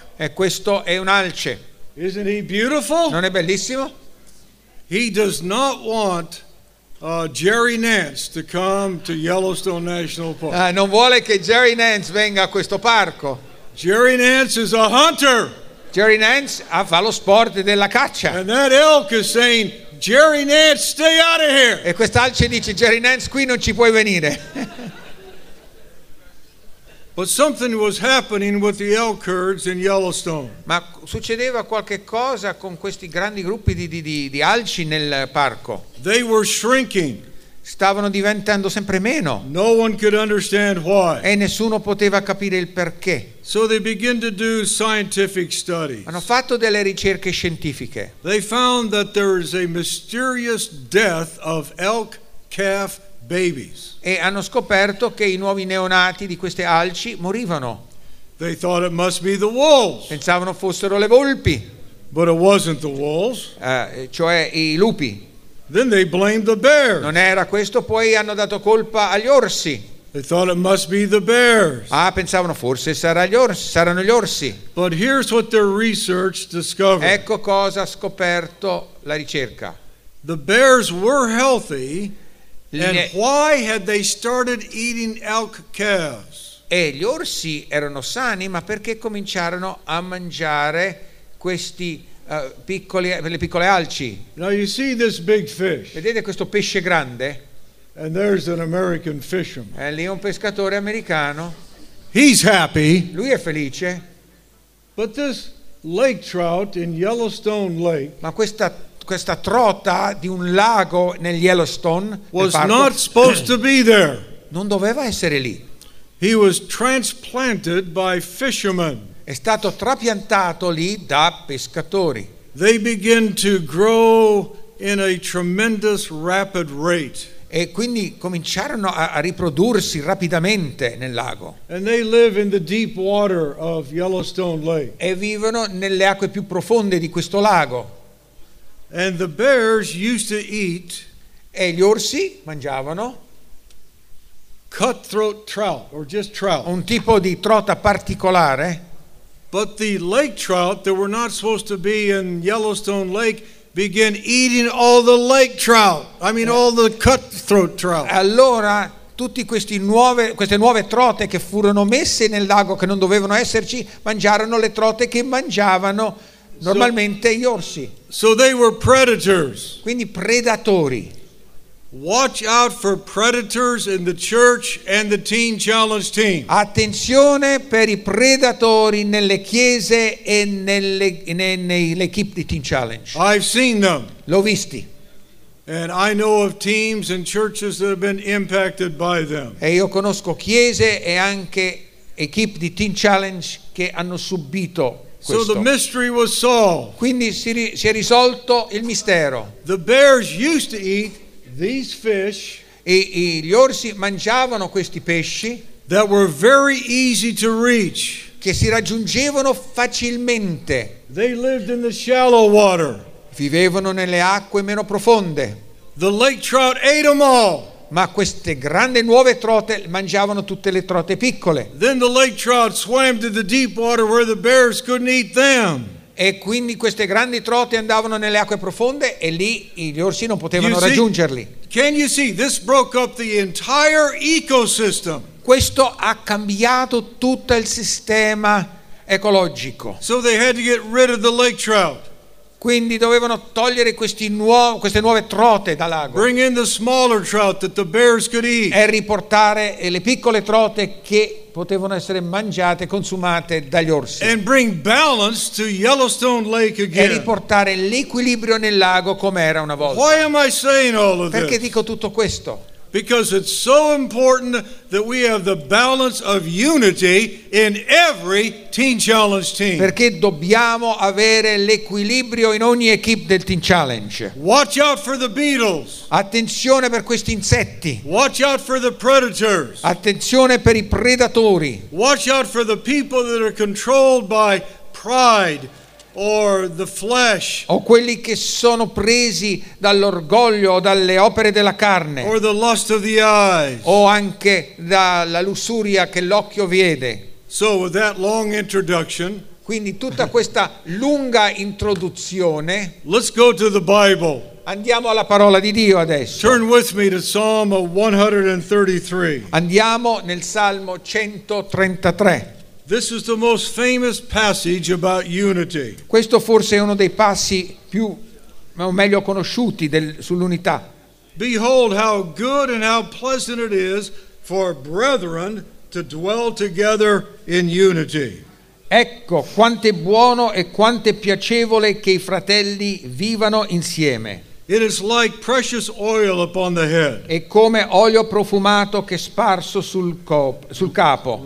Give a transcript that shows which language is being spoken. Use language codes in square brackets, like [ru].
[it] E questo è un alce. [en] Isn't he beautiful? [it] Non è bellissimo? [en] He does not want Jerry Nance to come to Yellowstone National Park. [it] Non vuole che Jerry Nance venga a questo parco. [en] Jerry Nance is a hunter. [it] Jerry Nance fa lo sport della caccia. [en] And that elk is saying, Jerry Nance, stay out of here. [it] E quest'alce dice, Jerry Nance, qui non ci puoi venire. [en] But something was happening with the elk herds in Yellowstone. [it] Ma succedeva qualche cosa con questi grandi gruppi di alci nel parco. [en] They were shrinking. [it] Stavano diventando sempre meno. [en] No one could understand why. [it] E nessuno poteva capire il perché. [en] So they began to do scientific studies. [it] Hanno fatto delle ricerche scientifiche. [en] They found that there is a mysterious death of elk calf babies. [it] E hanno scoperto che I nuovi neonati di queste alci morivano. [en] They thought it must be the wolves. [it] Pensavano fossero le volpi. [en] But it wasn't the wolves. [it] Cioè I lupi. [en] Then they blamed the bears. [it] Non era questo, poi hanno dato colpa agli orsi. [en] They thought it must be the bears. [it] Pensavano forse saranno gli orsi. [en] But here's what their research discovered. [it] Ecco cosa ha scoperto la ricerca. [en] The bears were healthy. And why had they started eating elk calves? [it] E gli orsi erano sani, ma perché cominciarono a mangiare questi piccole alci? [en] Now you see this big fish. [it] Vedete questo pesce grande? [en] And there's an American fisherman. [it] E lì un pescatore americano. [en] He's happy. [it] Lui è felice. [en] But this lake trout in Yellowstone Lake. [it] Ma questa trota di un lago nel Yellowstone [en] was not supposed to be there. [it] Non doveva essere lì. [en] He was transplanted by fishermen. [it] È stato trapiantato lì da pescatori. [en] They begin to grow in a tremendous rapid rate. [it] E quindi cominciarono a riprodursi rapidamente nel lago. [en] And they live in the deep water of Yellowstone Lake. [it] E vivono nelle acque più profonde di questo lago. [en] And the bears used to eat. [it] E gli orsi mangiavano [en] cutthroat trout or just trout. [it] Un tipo di trota particolare. [en] But the lake trout that were not supposed to be in Yellowstone Lake began eating all the lake trout. I mean, all the cutthroat trout. [it] Allora tutti questi queste nuove trote che furono messe nel lago che non dovevano esserci mangiarono le trote che mangiavano normalmente gli orsi. [en] So they were predators. [it] Quindi predatori. [en] Watch out for predators in the church and the teen challenge team. [it] Attenzione per I predatori nelle chiese e nell'equipe di teen challenge. [en] I've seen them. [it] L'ho visti. [en] And I know of teams and churches that have been impacted by them. [it] E io conosco chiese e anche equipe di teen challenge che hanno subito. [en] So the mystery was solved. [it] Quindi si è risolto il mistero. [en] The bears used to eat these fish. [it] E gli orsi mangiavano questi pesci. [en] That were very easy to reach. [it] Che si raggiungevano facilmente. [en] They lived in the shallow water. [it] Vivevano nelle acque meno profonde. [en] The lake trout ate them all. [it] Ma queste grandi nuove trote mangiavano tutte le trote piccole. [en] Then the lake trout swam to the deep water where the bears couldn't eat them. [it] E quindi queste grandi trote andavano nelle acque profonde e lì gli orsi non potevano raggiungerli. [en] Can you see? This broke up the entire ecosystem. [it] Questo ha cambiato tutto il sistema ecologico. [en] So they had to get rid of the lake trout. [it] Quindi dovevano togliere queste nuove trote dal lago. [en] Bring in the smaller trout that the bears could eat. [it] E riportare le piccole trote che potevano essere mangiate, consumate dagli orsi. [en] And bring balance to Yellowstone Lake again. [it] E riportare l'equilibrio nel lago come era una volta. [en] Why am I saying all of this? [it] Perché dico tutto questo? [en] Because it's so important that we have the balance of unity in every Teen Challenge team. [it] Perché dobbiamo avere l'equilibrio in ogni equip del Teen Challenge. [en] Watch out for the beetles. [it] Attenzione per questi insetti. [en] Watch out for the predators. [it] Attenzione per I predatori. [en] Watch out for the people that are controlled by pride or the flesh, [it] o quelli che sono presi dall'orgoglio o dalle opere della carne, [en] or the lust of the eyes, [it] o anche dalla lussuria che l'occhio vede. [en] So with that long introduction, [it] quindi tutta questa lunga introduzione, [en] let's go to the Bible. [it] Andiamo alla parola di Dio adesso. [en] Turn with me to Psalm 133. [it] Andiamo nel Salmo 133. [en] This is the most famous passage about unity. [it] Questo forse è uno dei passi più o meglio conosciuti sull'unità. [en] Behold how good and how pleasant it is for brethren to dwell together in unity. [it] Ecco quanto è buono e quanto è piacevole che I fratelli vivano insieme. [en] It is like precious oil upon the head. [it] È come olio profumato che sparso sul capo.